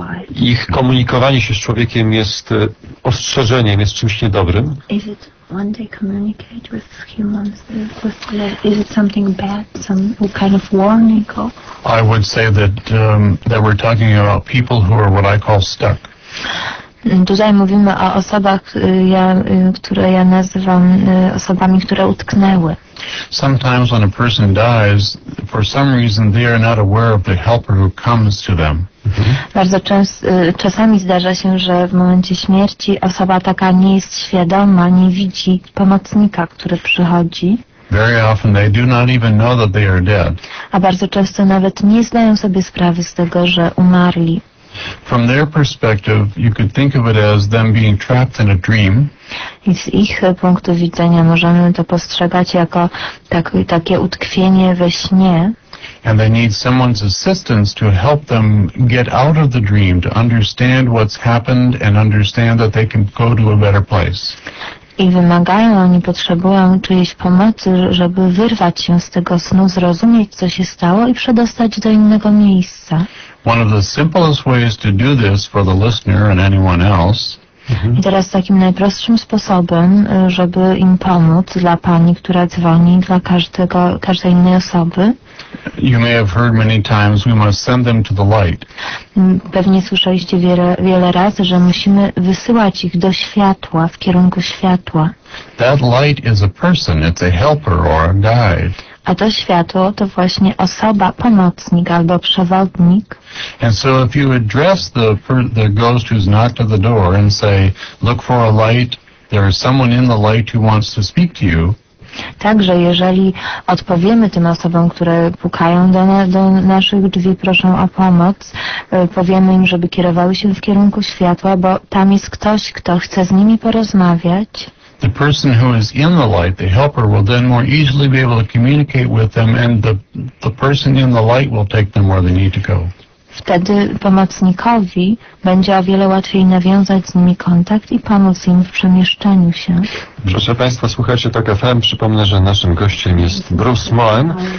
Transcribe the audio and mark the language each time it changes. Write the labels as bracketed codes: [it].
[pl] Ich komunikowanie się z człowiekiem jest ostrzeżeniem, jest czymś niedobrym? [en] When they communicate with humans, is it something bad, some kind of warning? I would say that we're talking about people who are what I call stuck. [pl] Tutaj mówimy o osobach, które ja nazywam osobami, które utknęły. [en] Sometimes when a person dies, for some reason they are not aware of the helper who comes to them. [pl] Bardzo czasami zdarza się, że w momencie śmierci osoba taka nie jest świadoma, nie widzi pomocnika, który przychodzi. [en] Very often they do not even know that they are dead. [pl] A bardzo często nawet nie zdają sobie sprawy z tego, że umarli. [en] From their perspective, you could think of it as them being trapped in a dream. [pl] I z ich punktu widzenia możemy to postrzegać jako takie utkwienie we śnie. [en] And they need someone's assistance to help them get out of the dream, to understand what's happened and understand that they can go to a better place. [pl] I wymagają, oni potrzebują czyjejś pomocy, żeby wyrwać się z tego snu, zrozumieć, co się stało i przedostać do innego miejsca. [en] One of the simplest ways to do this for the listener and anyone else. [pl] I teraz takim najprostszym sposobem, żeby im pomóc, dla pani, która dzwoni, dla każdej innej osoby. [en] You may have heard many times we must send them to the light. [pl] Pewnie słyszeliście wiele razy, że musimy wysyłać ich do światła, w kierunku światła. [en] That light is a person, it's a helper or a guide. [pl] A to światło to właśnie osoba, pomocnik albo przewodnik. [en] And so if you address the ghost who's knocked at the door and say, look for a light, there is someone in the light who wants to speak to you. [pl] Także jeżeli odpowiemy tym osobom, które pukają do naszych drzwi, proszą o pomoc, powiemy im, żeby kierowały się w kierunku światła, bo tam jest ktoś, kto chce z nimi porozmawiać. [en] the person who is in the light, the helper, will then more easily be able to communicate with them, and the person in the light will take them where they need to go. [pl] Wtedy pomocnikowi będzie o wiele łatwiej nawiązać z nimi kontakt i pomóc im w przemieszczaniu się. Proszę Państwa, słuchajcie, Talk FM. Przypomnę, że naszym gościem jest Bruce Moen.